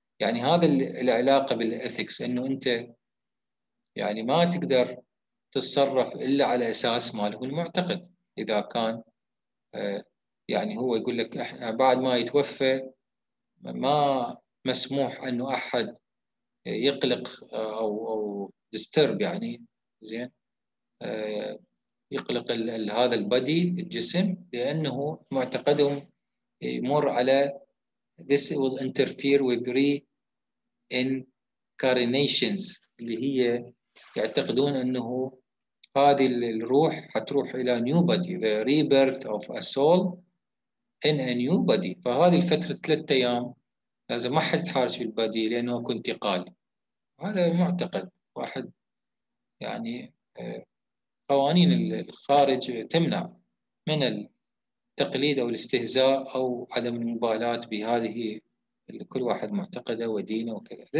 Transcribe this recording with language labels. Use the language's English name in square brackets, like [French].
[Arabic] يعني هذا العلاقه بالاثكس انه انت يعني ما تقدر تتصرف الا على اساس ماله المعتقد، اذا كان يعني هو يقول لك احنا بعد ما يتوفى ما مسموح انه احد يقلق او ديسترب يعني زين يقلق هذا البدي الجسم، لانه معتقدهم يمر على [English] This will interfere with reincarnations. [Arabic] اللي هي يعتقدون أنه هذه الروح هتروح إلى [English] new body. The rebirth of a soul in a new body. [Arabic] فهذه الفترة 3 أيام لازم ما حد يتحارش في البادي لأنه كنت قال. هذا معتقد واحد يعني قوانين الخارج تمنع من التقليد أو الاستهزاء أو عدم المبالاة بهذه اللي كل واحد معتقده ودينه وكذا.